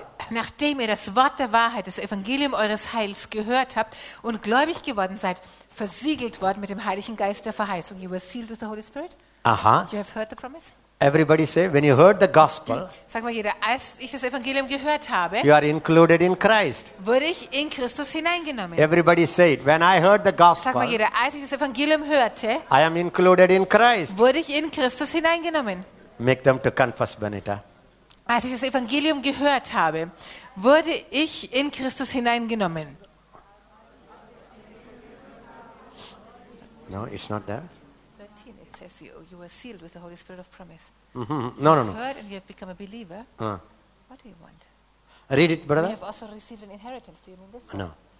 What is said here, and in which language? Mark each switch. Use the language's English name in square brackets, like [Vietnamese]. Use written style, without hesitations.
[German] Nachdem ihr das Wort der Wahrheit, das Evangelium eures Heils gehört habt und gläubig geworden seid, versiegelt worden mit dem Heiligen Geist der Verheißung. [English] You were sealed with the Holy Spirit. Aha. You have heard the promise. Everybody say, when you heard the gospel. [German] Sag mal jeder, als ich das Evangelium gehört habe. [English] You are included in Christ. [German] Wurde ich in Christus hineingenommen. [English] Everybody say it. When I heard the gospel. [German] Sag mal jeder, als ich das Evangelium hörte. [English] I am included in Christ. [German] Wurde ich in Christus hineingenommen. [English] Make them to confess, Benita. [German] Als ich das Evangelium gehört habe, wurde ich in Christus hineingenommen. [English] No, it's not there. 13, it says you were sealed with the Holy Spirit of promise. Mm-hmm. No. You have heard and you have become a believer. What do you want? Read it, brother. You have also received an inheritance. Do you mean this one? No.